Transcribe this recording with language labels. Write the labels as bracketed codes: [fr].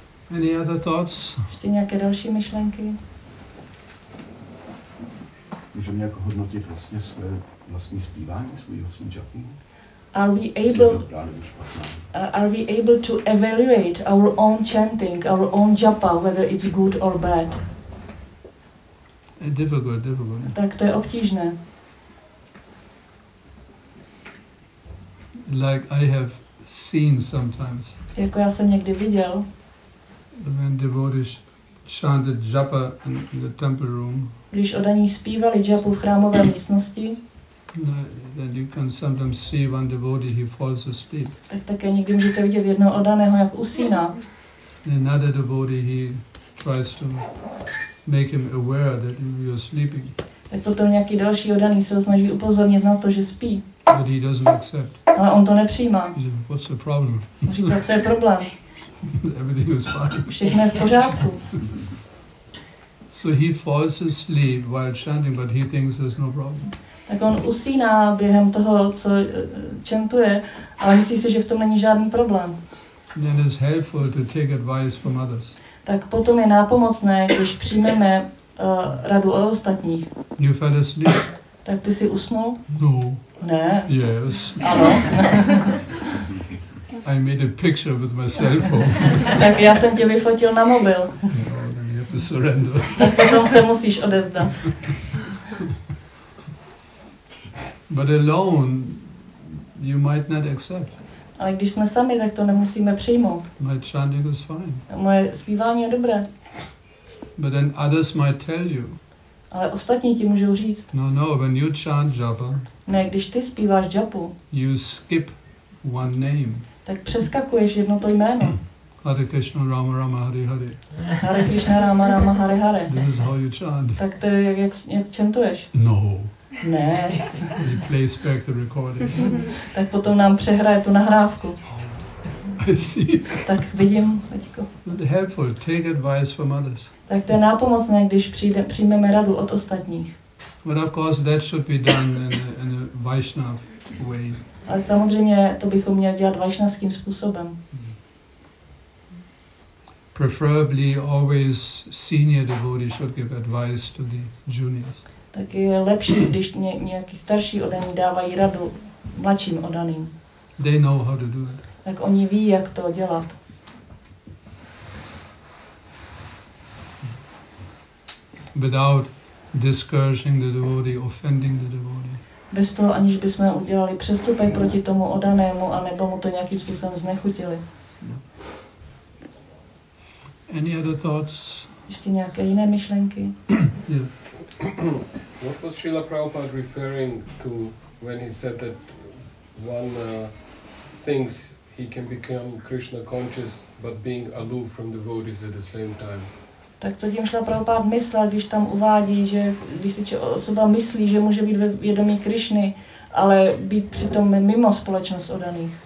[en] Any other thoughts? [cs] Ještě nějaké další myšlenky? Můžu můžeme nějak hodnotit vlastně své vlastní zpívání, svůj vlastní japu? [en] Are we able to evaluate our own chanting, our own japa, whether it's good or bad? Difficult. [cs] Tak to je obtížné. [en] Like I have seen sometimes. [cs] Jako já jsem někdy viděl. [en] When devotees chanted japa in the temple room. [cs] Když odaní zpívali japu v chrámové místnosti. [en] No, then you can sometimes see one devotee, he falls asleep. [cs] Tak také někdy můžete vidět jednoho odaného, jak usíná. [en] Another devotee, he tries to make him aware that you are sleeping. [cs] Tak potom nějaký další odaný se ho snaží upozornit na to, že spí. [en] But he doesn't accept. [cs] Ale on to nepřijímá. [en] What's the problem? [cs] Říká, co je problém? [en] Everything is fine. [cs] Všechno je v pořádku. [en] So he falls asleep while chanting, but he thinks there's no problem. [cs] Tak on usíná během toho, co chantuje, ale myslí si, že v tom není žádný problém. [en] Then it's helpful to take advice from others. [cs] Tak potom je nápomocné, když přijmeme radu od ostatních. [en] You fell asleep? [cs] Tak ty jsi usnul? [en] No. [cs] Ne? [en] Yes. [cs] Ano. [en] I made a picture with my cell phone. [cs] Tak já jsem tě vyfotil na mobil. [en] To surrender. [cs] Tak potom se musíš odevzdat. [en] But alone you might not accept. [cs] Ale když jsme sami, tak to nemusíme přijmout. [en] My chanting is fine. [cs] Moje zpívání je dobré. [en] But then others might tell you. [cs] Ale ostatní ti můžou říct. [en] No, when you chant japa. [cs] Ne, když ty zpíváš japu. [en] You skip one name. [cs] Tak přeskakuješ jedno to jméno. [sa] Hare Krishna, Rama Rama, Hari Hari. Hare Krishna, Rama Rama, Hare Hare. [en] This is how you chant. [cs] Tak to je, jak chantuješ? [en] No. [cs] Ne. [en] He plays back the recording. [cs] Tak potom nám přehraje tu nahrávku. [en] I see. [cs] Tak vidím, Vaďko. [en] Helpful, take advice from others. [cs] Tak to je nápomocné, když přijmeme radu od ostatních. [en] But of course that should be done in a Vaishnav way. [cs] Ale samozřejmě to bychom měli dělat vaishnavským způsobem. [en] Preferably always senior devotee should give advice to the juniors. [cs] Tak je lepší, když nějaký starší odaní dávají radu mladším odaným. [en] They know how to do it. [cs] Tak oni ví, jak to dělat. [en] Without discouraging the devotee, offending the devotee. [cs] Bez toho, aniž bychom udělali přestupek proti tomu odanému a nebo mu to nějakým způsobem znechutili. [en] Any other thoughts? [cs] Ještě nějaké jiné myšlenky? [en] Yeah. What was Srila Prabhupada referring to when he said that one thinks he can become Krishna conscious but being aloof from devotees at the same time? [cs] Tak co tím Srila Prabhupada myslel, když tam uvádí, že když si osoba myslí, že může být ve vědomí Krishny, ale být přitom mimo společnost odaných?